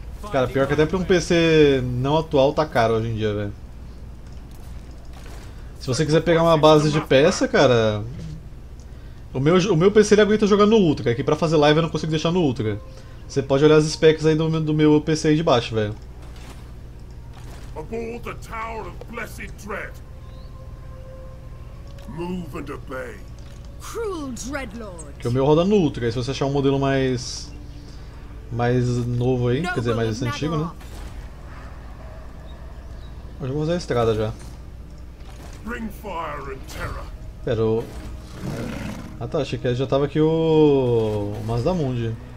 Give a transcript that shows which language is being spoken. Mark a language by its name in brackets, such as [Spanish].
[Portuguese] Cara, pior que até pra um PC não atual tá caro hoje em dia, velho. Se você quiser pegar uma base de peça, cara. O meu PC ele aguenta jogar no Ultra, que pra fazer live eu não consigo deixar no Ultra. Você pode olhar as specs aí do meu PC aí de baixo, velho. [English] Aboard the Tower of Blessed Dread. Move and obey. Cruel Dreadlord. [Portuguese] Que o meu roda no Ultra, se você achar um modelo mais novo aí, quer dizer, mais antigo, né? Eu vou usar a estrada já. [English] Bring fire and terror. [Portuguese] Pera, o... Ah tá, achei que já tava aqui o Masdamundi.